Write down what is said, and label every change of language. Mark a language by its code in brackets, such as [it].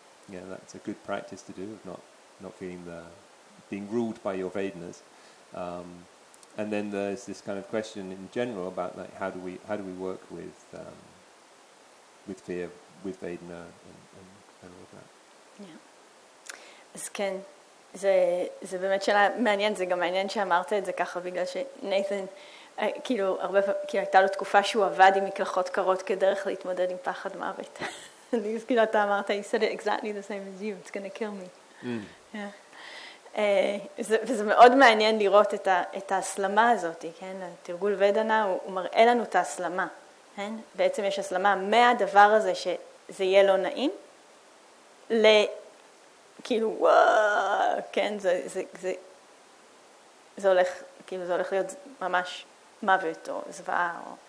[en] Yeah, that's a good practice to do, of not feeling being ruled by your Vedanas. And then there's this kind of question in general about, like, how do we work with fear, with Vedana, and all of that. Yeah. It's Ken. [he] זה באמת שאלה מעניינת, זה גם מעניין שאמרת את זה ככה, בגלל שנייתן, כאילו, כאילו הייתה לו תקופה שהוא עבד עם מקלחות קרות כדרך להתמודד עם פחד מוות. אז כאילו אתה אמרת, [en] he said it exactly the same as you, it's gonna kill me. [he] וזה מאוד מעניין לראות את ההסלמה הזאת, כן? התרגול ודנה, הוא מראה לנו את ההסלמה. כן? בעצם יש הסלמה מהדבר הזה שזה יהיה לא נעים, כאילו, וואו, כן, זה הולך, כאילו זה הולך להיות ממש מוות או זוועה.